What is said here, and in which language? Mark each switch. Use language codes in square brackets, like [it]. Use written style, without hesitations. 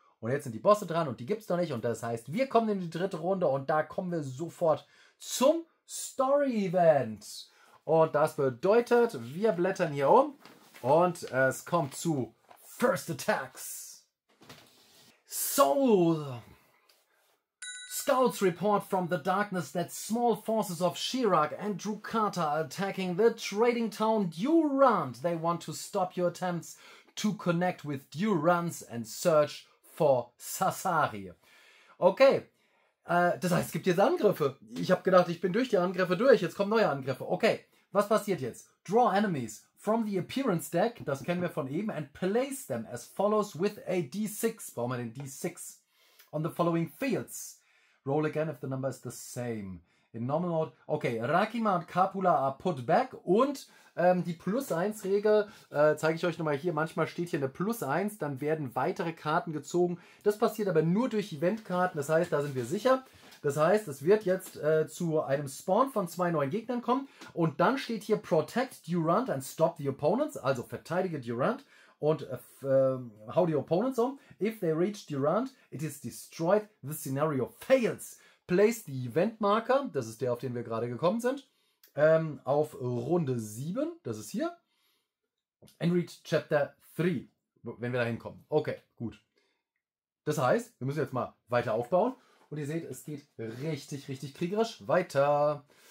[de] Und jetzt sind die Bosse dran und die gibt's noch nicht. Und das heißt, wir kommen in die dritte Runde und da kommen wir sofort zum Story-Event. Und das bedeutet, wir blättern hier um und es kommt zu First Attacks. Soul. [en] Scouts report from the darkness that small forces of Shirak and Drukhata are attacking the trading town Durant. They want to stop your attempts to connect with Durant and search for Sasari. Okay. [de] Das heißt, es gibt jetzt Angriffe. Ich habe gedacht, ich bin durch die Angriffe durch. Jetzt kommen neue Angriffe. Okay, was passiert jetzt? [en] Draw enemies. from the appearance deck, [de] das kennen wir von eben, [en] and place them as follows with a d6, [de] brauchen wir den d6, [en] on the following fields. Roll again if the number is the same. In normal mode, [de] okay, Rakima und Kapula [en] are put back [de] und die Plus-1-Regel, zeige ich euch nochmal hier, manchmal steht hier eine Plus-1, dann werden weitere Karten gezogen. Das passiert aber nur durch Eventkarten, das heißt, da sind wir sicher. Das heißt, es wird jetzt zu einem Spawn von zwei neuen Gegnern kommen und dann steht hier [en] Protect Durant and Stop the Opponents, [de] also verteidige Durant und hau die Opponents um. [en] If they reach Durant, it is destroyed, the scenario fails. Place the Event Marker, [de] das ist der, auf den wir gerade gekommen sind, auf Runde 7, das ist hier, [en] and reach Chapter 3, [de] wenn wir da hinkommen. Okay, gut. Das heißt, wir müssen jetzt mal weiter aufbauen. Und ihr seht, es geht richtig, richtig kriegerisch weiter.